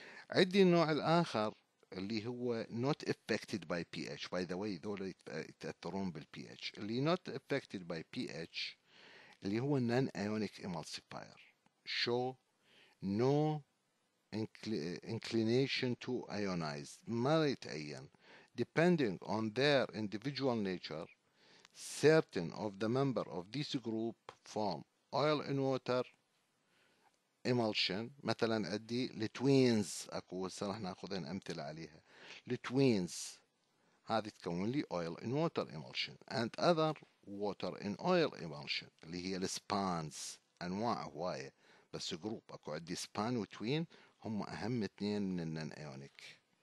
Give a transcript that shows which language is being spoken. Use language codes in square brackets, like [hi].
[ar] عندي النوع الاخر اللي هو [en] Not affected by P H. [ar] باي ذا واي ذول يتاثرون بالبي اتش. اللي نوت افكتد باي بي اتش اللي هو نان ايونيك امالسيفاير شو نو [en] inclination to ionize [ar] ما يتأين. [en] depending on their individual nature certain of the member of this group form oil and water emulsion. [ar] مثلا عندي التوينز اكو صرح ناخذين امثلة عليها التوينز هذه تكون لي [en] oil and water emulsion and other water in oil emulsion [ar] اللي هي السبانز انواع هواية بس جروب اكو عندي سبان وتوين هم اهم اثنين من النان ايونيك.